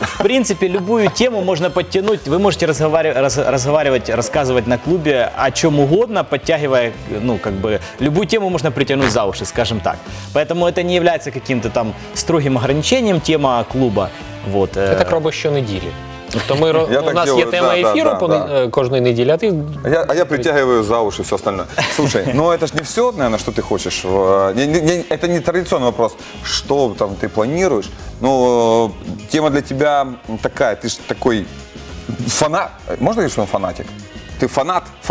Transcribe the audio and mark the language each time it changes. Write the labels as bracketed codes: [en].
[ru] В принципе, любую тему можно подтянуть. Вы можете разговаривать, рассказывать на клубе о чем угодно, подтягивая, ну, как бы, любую тему можно притянуть за уши, скажем так. Поэтому это не является каким-то там строгим ограничением тема клуба. Вот. Это кроме еще недели. [uk] Тобто ми, у нас є тема ефіру кожної неділі, а ти... [ru] А я притягиваю за уши все остальне. Слушай, ну это ж не все, наверное, что ты хочешь. Это не традиционный вопрос, что там ты планируешь. Ну, тема для тебя такая, ты ж такой фанат. Можно говорить, что он фанатик? Ты фанат.